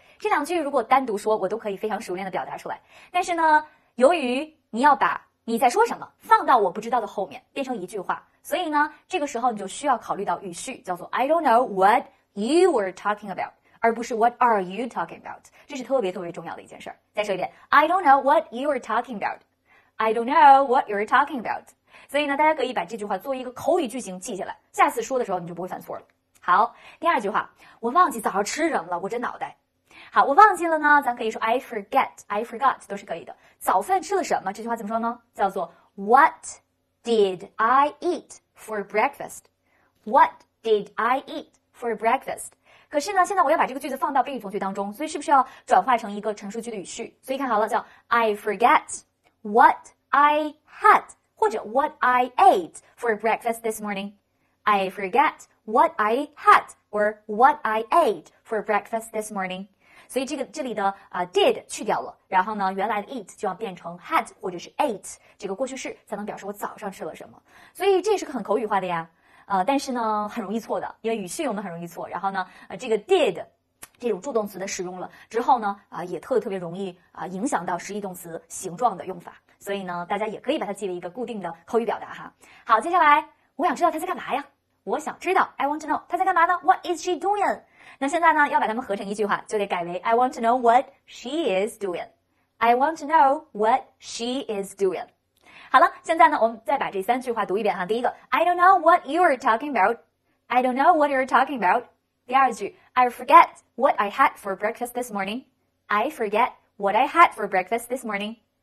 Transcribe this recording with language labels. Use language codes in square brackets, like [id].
[zh] 这两句如果单独说，我都可以非常熟练的表达出来。但是呢，由于你要把你在说什么放到我不知道的后面变成一句话，所以呢，这个时候你就需要考虑到语序，叫做 [en] I don't know what you were talking about， [zh] 而不是 [en] What are you talking about。 [zh] 这是特别特别重要的一件事。 [en] 再说一遍， I don't know what you were talking aboutI don't know what you're talking about。 [zh] 所以呢，大家可以把这句话作为一个口语句型记下来，下次说的时候你就不会犯错了。好，第二句话，我忘记早上吃什么了，我这脑袋。好，我忘记了呢，咱可以说 [en] I forget， I forgot [zh] 都是可以的。早饭吃了什么，这句话怎么说呢？ [en] 叫做 What did I eat for breakfast？ What did I eat for breakfast？ [zh] 可是呢，现在我要把这个句子放到宾语从句当中，所以是不是要转化成一个陈述句的语序？所以看好了，叫 [en] I forgetWhat I had [zh] 或者 [en] What I ate for breakfast this morning. I forget what I had or what I ate for breakfast this morning. [zh] 所以这个这里的did 去掉了，然后呢原来的 eat 就要变成 had 或者是 ate 这个过去式，才能表示我早上吃了什么。所以这也是个很口语化的呀，但是呢很容易错的，因为语序用的很容易错，然后呢这个 did这种助动词的使用了之后呢，也特别特别容易影响到实义动词形状的用法，所以呢，大家也可以把它记为一个固定的口语表达哈。好，接下来我想知道他在干嘛呀？我想知道 ， [en] I want to know [zh] 他在干嘛呢 ？ [en] What is she doing？ [zh] 那现在呢，要把它们合成一句话，就得改为 [en] I want to know what she is doing。 I want to know what she is doing。 [zh] 好了，现在呢，我们再把这三句话读一遍哈。第一个 [en] ，I don't know what you are talking about。 I don't know what you are talking about。 [zh] 第二句 [en] ，I forget what I had for breakfast this morning. I forget what I had for breakfast this morning.